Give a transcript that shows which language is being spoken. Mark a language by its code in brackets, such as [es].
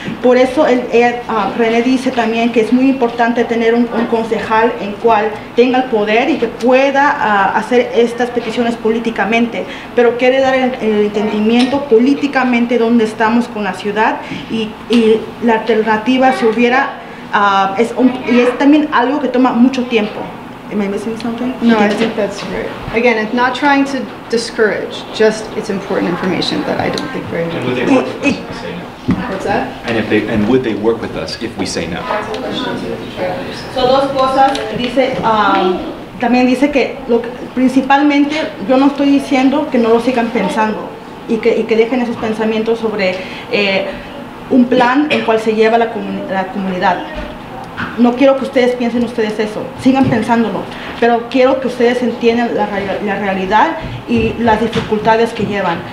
[es] Por eso René dice también que es muy importante tener un concejal en cual tenga el poder y que pueda hacer estas peticiones políticamente, pero quiere dar el entendimiento políticamente dónde estamos con la ciudad y la alternativa si hubiera y es también algo que toma mucho tiempo. [en] Am I missing something? No, I think that's great. Again, it's not trying to discourage, just it's important information that I don't think very much. And would they work with us if we say no? What's that? And would they work with us if we say no? [es] So dos cosas, dice, también dice que lo, principalmente yo no estoy diciendo que no lo sigan pensando y que dejen esos pensamientos sobre un plan en cual se lleva la, la comunidad. No quiero que ustedes piensen ustedes eso, sigan pensándolo, pero quiero que ustedes entiendan la, la realidad y las dificultades que llevan.